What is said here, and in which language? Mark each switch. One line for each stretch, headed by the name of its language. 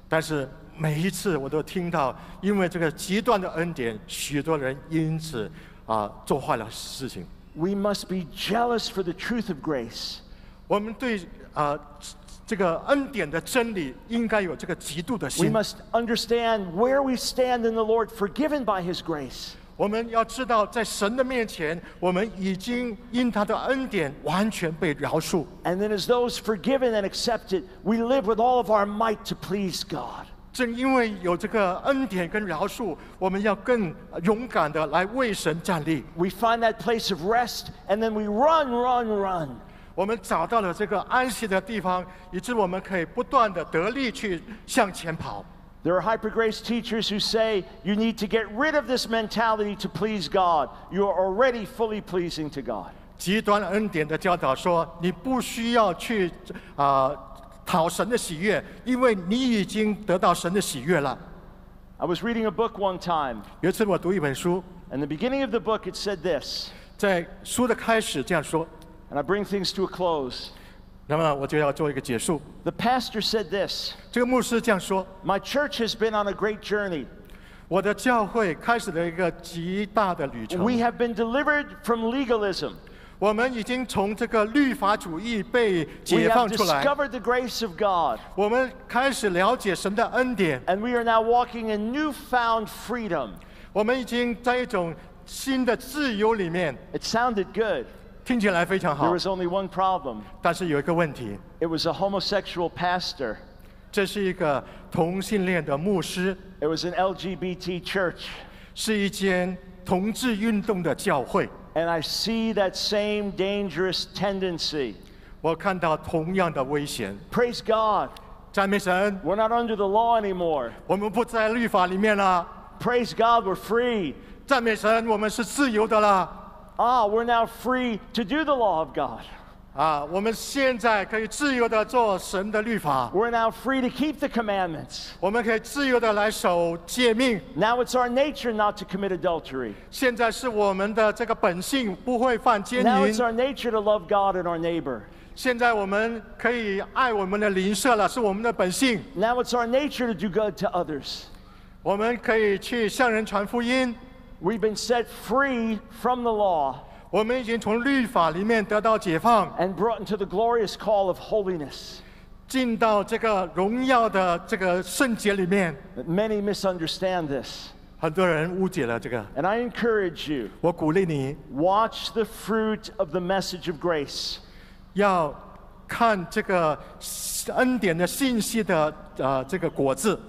Chinese: 但是每一次我都听到，因为这个极端的恩典，许多人因此做坏了事情。
English: We must be jealous for the truth of grace.
Chinese: 我们对这个恩典的真理应该有这个极度的心。
English: We must understand where we stand in the Lord, forgiven by His grace.
Chinese: 我们要知道，在神的面前，我们已经因他的恩典完全被饶恕。
English: And then, as those forgiven and accepted, we live with all of our might to please God.
Chinese: 正因为有这个恩典跟饶恕，我们要更勇敢地来为神站立。
English: We find that place of rest, and then we run, run, run.
Chinese: 我们找到了这个安息的地方，以致我们可以不断地得力去向前跑。
English: There are hyper grace teachers who say you need to get rid of this mentality to please God. You are already fully pleasing to God.
Chinese: 极端恩典的教导说，你不需要去讨神的喜悦，因为你已经得到神的喜悦了。
English: I was reading a book one time.
Chinese: 有一次我读一本书。
English: And the beginning of the book, it said this.
Chinese: 在书的开始这样说。
English: And I bring things to a close.
Chinese: 那么我就要做一个结束。
English: The pastor said this.
Chinese: 这个牧师这样说。
English: My church has been on a great journey.
Chinese: 我的教会开始了一个极大的旅程。
English: We have been delivered from legalism.
Chinese: 我们已经从这个律法主义被解放出来。
English: We have discovered the grace of God.
Chinese: 我们开始了解神的恩典。
English: And we are now walking in newfound freedom.
Chinese: 我们已经在一种新的自由里面。
English: It sounded good.
Chinese: 听起来非常好。
English: There was only one problem.
Chinese: 但是有一个问题。
English: It was a homosexual pastor.
Chinese: 这是一个同性恋的牧师。
English: It was an LGBT church.
Chinese: 是一间同志运动的教会。
English: And I see that same dangerous tendency.
Chinese: 我看到同样的危险。
English: Praise God.
Chinese: 赞美神。
English: We're not under the law anymore.
Chinese: 我们不在律法里面了。
English: Praise God, we're free.
Chinese: 赞美神，我们是自由的了。
English: Ah, we're now free to do the law of God.
Chinese: Ah, 我们现在可以自由地做神的律法。
English: We're now free to keep the commandments.
Chinese: 我们可以自由地来守诫命。
English: Now it's our nature not to commit adultery.
Chinese: 现在是我们的这个本性不会犯奸淫。
English: Now it's our nature to love God and our neighbor.
Chinese: 现在我们可以爱我们的邻舍了，是我们的本性。
English: Now it's our nature to do good to others.
Chinese: 我们可以去向人传福音。
English: We've been set free from the law.
Chinese: 我们已经从律法里面得到解放。
English: And brought into the glorious call of holiness.
Chinese: 进到这个荣耀的这个圣洁里面。
English: Many misunderstand this.
Chinese: 很多人误解了这个。
English: And I encourage you.
Chinese: 我鼓励你。
English: Watch the fruit of the message of grace.
Chinese: 要看这个恩典的信息的这个果子。